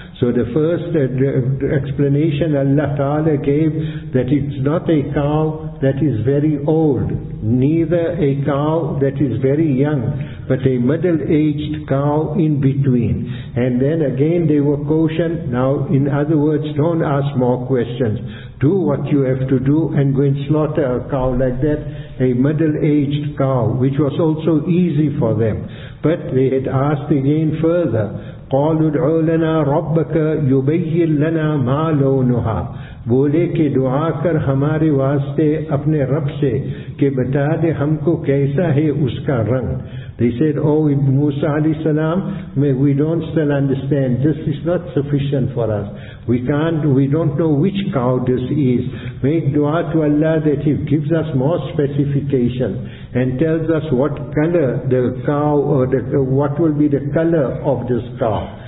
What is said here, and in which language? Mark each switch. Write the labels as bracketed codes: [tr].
[en] So the first explanation Allah Ta'ala gave, that it's not a cow that is very old, neither a cow that is very young, but a middle-aged cow in between. And then again they were cautioned, now in other words, don't ask more questions. Do what you have to do and go and slaughter a cow like that, a middle-aged cow, which was also easy for them. But they had asked again further, [ar] قَالُ ادْعُوا لَنَا رَبَّكَ يُبَيِّن لَنَا مَا لَوْنُهَا. [ur] بولے کہ دعا کر ہمارے واسطے اپنے رب سے کہ بتا دے ہم کو کیسا ہے اس کا رنگ. [en] They said, oh, Musa alayhi salam, we don't still understand. This is not sufficient for us. We don't know which cow this is. Make dua to Allah that He gives us more specification and tells us what color the cow, or what will be the color of this cow.